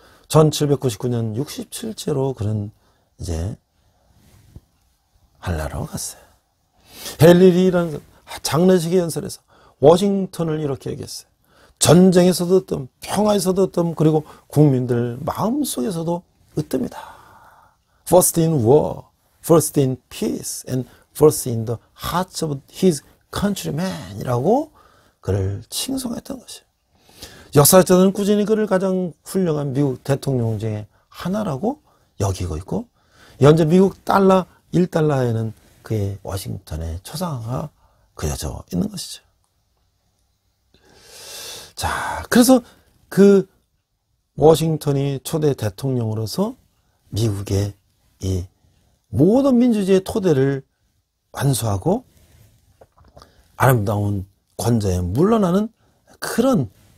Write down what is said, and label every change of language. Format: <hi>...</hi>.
<ko>1799년 67세로 그는 이제 할라로 갔어요. 헨리라는 장례식 연설에서 워싱턴을 이렇게 얘기했어요. 전쟁에서도 으뜸, 평화에서도 으뜸, 그리고 국민들 마음속에서도 으뜸이다.</ko> <en>First in war, first in peace, and first in the hearts of his countrymen</en> <ko>이라고 그를 칭송했던 것이에요. 역사학자들은 꾸준히 그를 가장 훌륭한 미국 대통령 중에 하나라고 여기고 있고, 현재 미국 달러 1달러에는 그의 워싱턴의 초상화가 그려져 있는 것이죠. 자, 그래서 그 워싱턴이 초대 대통령으로서 미국의 이 모든 민주주의의 토대를 완수하고 아름다운 권좌에 물러나는 그런</ko>